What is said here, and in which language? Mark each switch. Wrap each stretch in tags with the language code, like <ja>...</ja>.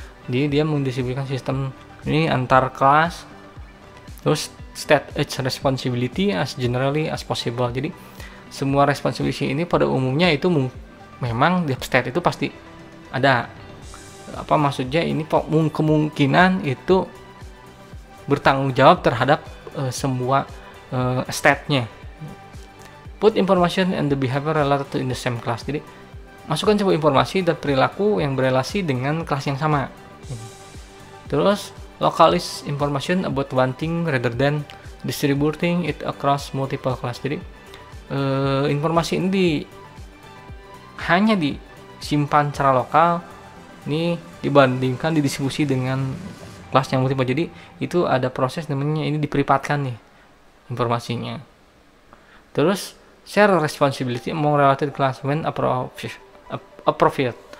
<id>Jadi dia mendistribusikan sistem ini antar kelas. Terus</id> <en>state each responsibility as generally as possible.</en> <id>Jadi semua responsibility ini pada umumnya itu memang di state itu pasti ada. Apa maksudnya ini kemungkinan itu bertanggung jawab terhadap semua state-nya.</id> <en>Put information and the behavior related to in the same class.</en> <id>Jadi masukkan sebuah informasi dan perilaku yang berrelasi dengan kelas yang sama.</id> <en>Terus localize information about one thing rather than distributing it across multiple class.</en> <id>Jadi informasi ini hanya disimpan secara lokal. Ini dibandingkan didistribusi dengan kelas yang multiple. Jadi itu ada proses namanya ini diperipatkan nih informasinya.</id> <en>Terus share responsibility among related class when appropriate.</en>